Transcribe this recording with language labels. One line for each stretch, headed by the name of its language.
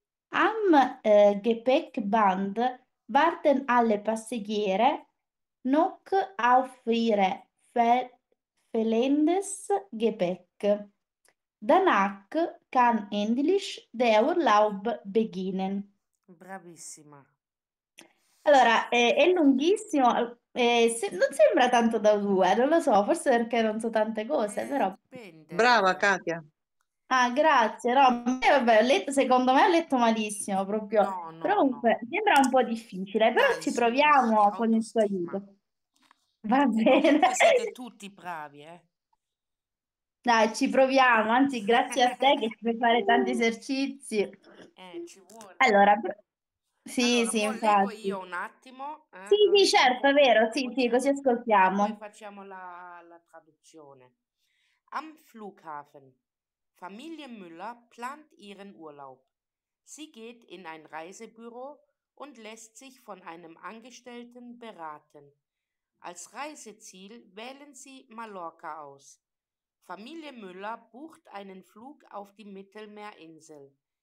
German: Am Gepäckband warten alle Passagiere noch auf ihre fehlendes Gepäck. Danach kann endlich der Urlaub beginnen.
Italian: Bravissima. Allora, è lunghissimo, non sembra tanto da due, non lo so, forse perché non so tante cose, però... Dipende. Brava, Katia. Ah, grazie, no, vabbè, secondo me ho letto malissimo proprio, no, però comunque, no. Sembra un po' difficile, però ci proviamo con il suo aiuto. Va bene. Siete tutti bravi, Dai, ci proviamo, anzi grazie a te che ci puoi fare tanti esercizi. Ci vuole. Allora, sì, allora, sì, infatti. Leggo io un attimo. Sì, sì, certo, è vero, sì, sì, così ascoltiamo. Noi facciamo la traduzione.
German: Am Flughafen. Familie Müller plant ihren Urlaub. Sie geht in ein Reisebüro und lässt sich von einem Angestellten beraten. Als Reiseziel wählen sie Mallorca aus. Familie Müller bucht einen Flug auf die Mittelmeerinsel.